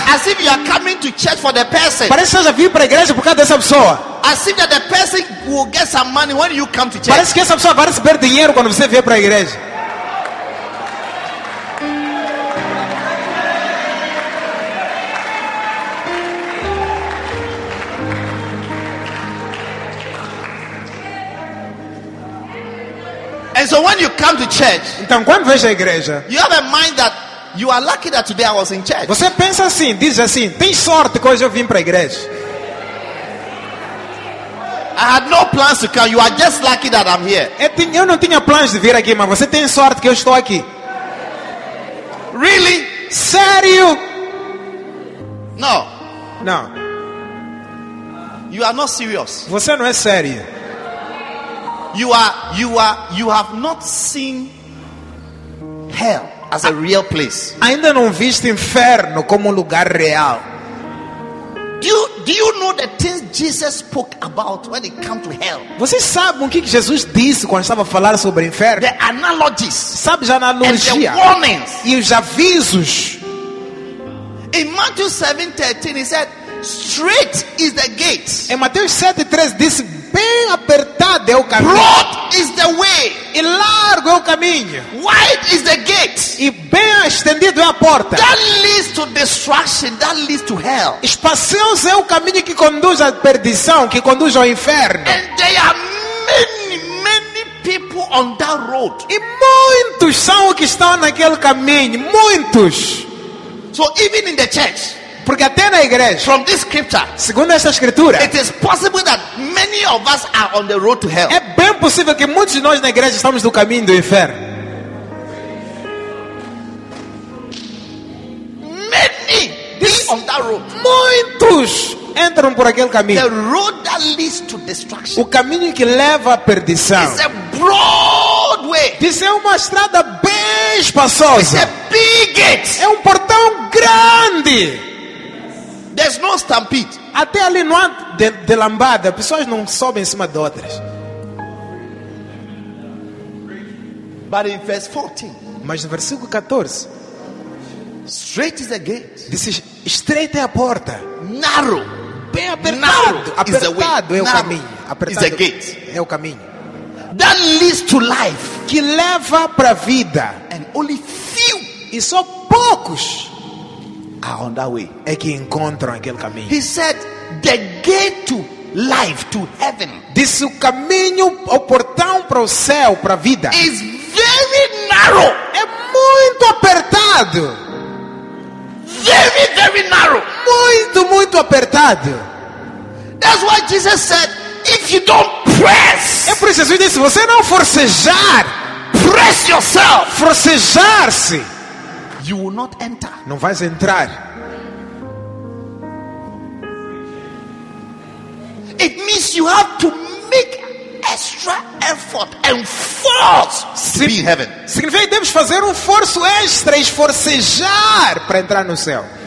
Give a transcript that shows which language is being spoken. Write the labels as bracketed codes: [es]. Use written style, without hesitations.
[en] As if you are coming to church for the person. [pt] Parece que estás a vir para a igreja por causa dessa pessoa. [en] As if that the person will get some money when you come to church. [pt] Parece que essa pessoa vai receber dinheiro quando você vier para a igreja. [en] And so when you come to church, [pt] então quando vês a igreja, [en] you have a mind that you are lucky that today I was in church. [pt] Você pensa assim, diz assim, tem sorte que hoje eu vim para a igreja. [en] I had no plans to come. You are just lucky that I'm here. [pt] Eu não tinha planos de vir aqui, mas você tem sorte que eu estou aqui. [en] Really? [pt] Sério? [en] No. [pt] No. [en] You are not serious. [pt] Você não é sério. [en] You have not seen hell as a real place. [pt] Ainda não viste inferno como lugar real. [en] Do you know the things Jesus spoke about when it came to hell? [pt] Você sabe o que Jesus disse quando estava a falar sobre inferno? [en] The analogies. [pt] Sabe já analogia? [en] And the warnings. [pt] E os avisos. [en] In Matthew 7:13, he said, "Straight is the gate." [pt] Em Mateus 7:13 diz, bem apertado é o caminho. [en] Broad is the way. [pt] E largo é o caminho. [en] Wide is the gate. [pt] E bem estendido é a porta. [en] That leads to destruction. That leads to hell. [pt] Espacioso é o caminho que conduz à perdição, que conduz ao inferno. [en] And there are many people on that road. [pt] E muitos são os que estão naquele caminho, muitos. [en] So even in the church, [pt] porque até na igreja, [en] from this scripture, [pt] segundo esta escritura, [en] it is possible that many of us are on the road to hell. [pt] É bem possível que muitos de nós na igreja estamos no caminho do inferno. [en] Many on that road. [pt] Muitos entram por aquele caminho. [en] The road that leads to destruction. [pt] O caminho que leva à perdição. [en] It's a broad way. [pt] Diz, é uma estrada bem espaçosa. [en] It's a big gate. [pt] É um portão grande. [en] There's no stampede. [pt] Até ali não há de lambada. Pessoas não sobem em cima de outras. [en] But in verse 14, [pt] mas no versículo 14, [en] straight is the gate. [pt] Diz, estreita é a porta. [en] Narrow. [pt] Bem apertado. Apertado é o caminho. Apertado [en] is the gate. [pt] É o caminho. [en] That leads to life. [pt] Que leva para a vida. [en] And only few. [pt] E só poucos. [en] Are on that way. [pt] É que encontram aquele caminho. [en] He said, the gate to life, to heaven. [pt] Diz, o caminho, o portão para o céu, para a vida. [en] Is very narrow. [pt] É muito apertado. [en] Very, very narrow. [pt] Muito, muito apertado. [en] That's why Jesus said, if you don't press. [pt] É por isso que Jesus disse, se você não forcejar, [en] press yourself. [pt] Forcejar-se. [en] You will not enter. [pt] Não vais entrar. [en] It means you have to make extra effort and force to be in heaven. [pt] Significa que devemos fazer esforço extra, esforcejar para entrar no céu.